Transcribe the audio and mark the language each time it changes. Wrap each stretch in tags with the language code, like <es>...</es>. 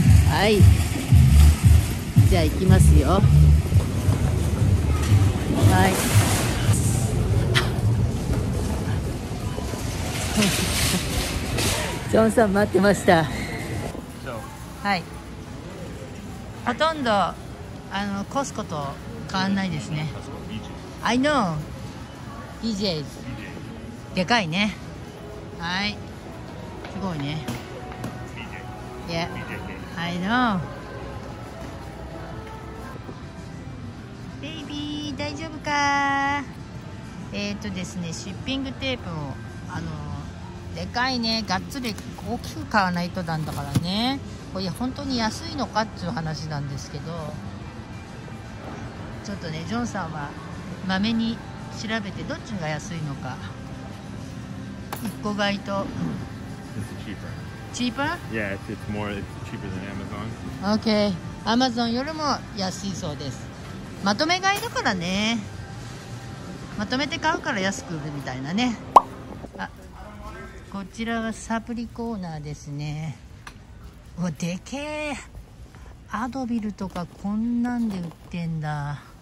<ja>はい、じゃあ行きますよ。はい。ジョンさん待ってました。はい、ほとんどコスコと変わんないですね。</ja> <en>I know BJ's</en> <ja>でかいね。はい、すごいね。</ja> <en>Yeah I know。</en> <ja>ベイビー大丈夫か。ですね、シッピングテープをでかいね、がっつり大きく買わないとなんだからね。これ本当に安いのかっていう話なんですけど、ちょっとねジョンさんはまめに調べてどっちが安いのか、一個買いと。</ja> <en>It's cheaper. Cheaper? Yeah, it's more, it's cheaper than Amazon. Okay.</en> <ja>Amazon よりも安いそうです。まとめ買いだからね、まとめて買うから安く売るみたいなね。あ、こちらはサプリコーナーですね。うわ、でけえ。アドビルとかこんなんで売ってんだ。</ja>